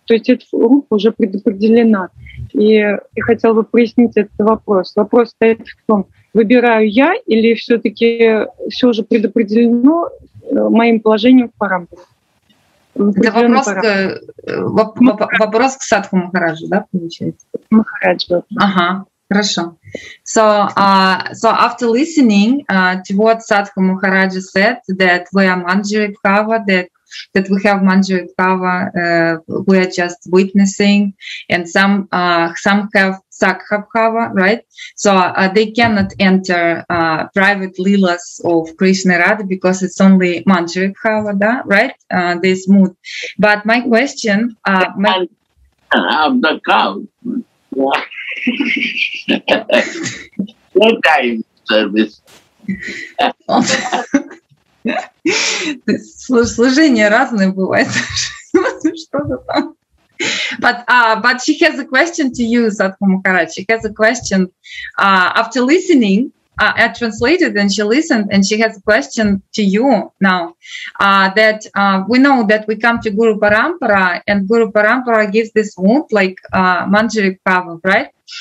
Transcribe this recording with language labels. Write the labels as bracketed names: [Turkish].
[Russian] То есть эта рупа уже предопределена. И я хотела бы прояснить этот вопрос. Вопрос стоит в том, выбираю я или все-таки все уже предопределено моим положением в парампаре. Это вопрос к Садху Махараджу, да, получается? Махараджу. Ага, хорошо. [English] So after listening to what Садху Махараджа said, that we are Manjari Bhava, that we have Manjari Bhava, we are just witnessing, and some have Sakha Bhava, right? So they cannot enter private lilas of Krishna Radha because it's only Manjari Bhava, da, right? This mood. But my question... of the cow. No time service. [Russian] Служение разное бывает. Что-то там. [English] But she has a question to you, Sadhu Maharaj. She has a question after listening. I translated and she listened and she has a question to you now. We know that we come to Guru Parampara and Guru Parampara gives this mood like Manjari Bhava, right?